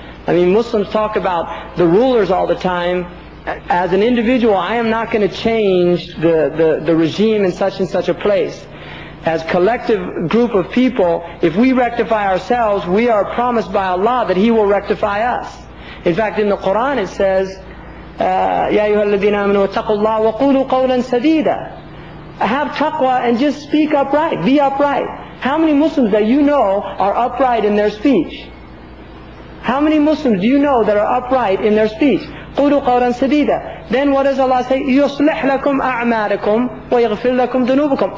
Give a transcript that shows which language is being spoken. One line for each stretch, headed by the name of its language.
English: I mean, Muslims talk about the rulers all the time. As an individual, I am not going to change the regime in such and such a place. As collective group of people, if we rectify ourselves, we are promised by Allah that He will rectify us. In fact, in the Quran it says,
Arabic: يَا أَيُّهَا الَّذِينَ آمَنُوا اتَّقُوا اللَّهَ وَقُولُوا قَوْلًا سَدِيدًا.
English: Have taqwa and just speak upright, be upright. How many Muslims that you know are upright in their speech? How many Muslims do you know that are upright in their speech?
Arabic: قُلُوا قَوْلًا سَدِيدًا.
English: Then what does Allah say?
Arabic: يُصْلِحْ لَكُمْ أَعْمَالَكُمْ وَيَغْفِرْ لَكُمْ ذُنُوبَكُمْ.